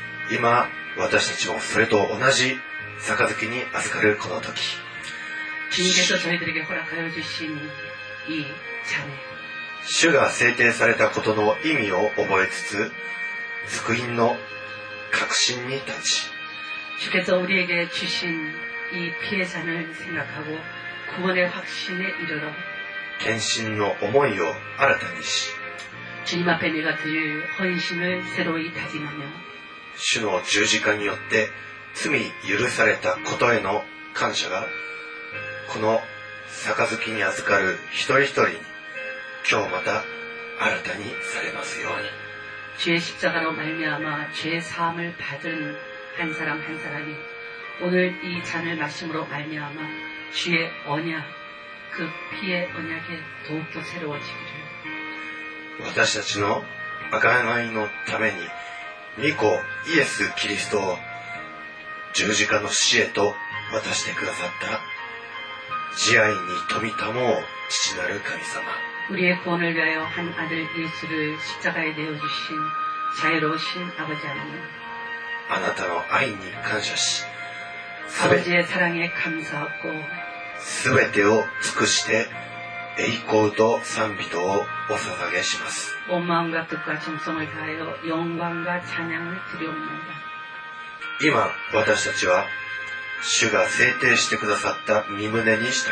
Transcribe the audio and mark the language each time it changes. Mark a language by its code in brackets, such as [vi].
[ja] 今私たちもそれと同じ杯に預かるこの時、主が制定されたことの意味を覚えつつ、救いの確信に立ち、 [ko] 主께서우리에게주신이피해산을생각하고구원의확신에이르러 [ja] 献身の思いを新たにし、 [ko] 주님앞에내가드릴헌신을새로이다짐하며 [ja] 主の十字架によって罪許されたことへの感謝がこの杯に預かる一人一人に今日また新たにされますように。 [ko] 주의십자가로말미암아죄의사함을받은한사람한사람이오늘이잔을마심으로말미암아주의언약그피의언약에더욱더새로워지기를 [ja] 私たちの贖いのために御子イエス・キリストを十字架の死へと渡してくださった慈愛に富みたもう父なる神様、 [ko] 우리의구원을위하여한아들예수를십자가에내어주신자유로우신아버지하나님、 [ja] あなたの愛に感謝し、 [ko] 아버지의사랑에감사하고、 [ja] すべてを尽くして栄光と賛美とをお捧げします。 [ko] 온마음과뜻과정성을다하여영광과찬양을드리옵니다。 [ja] 今私たちは主が制定してくださった御旨に従い、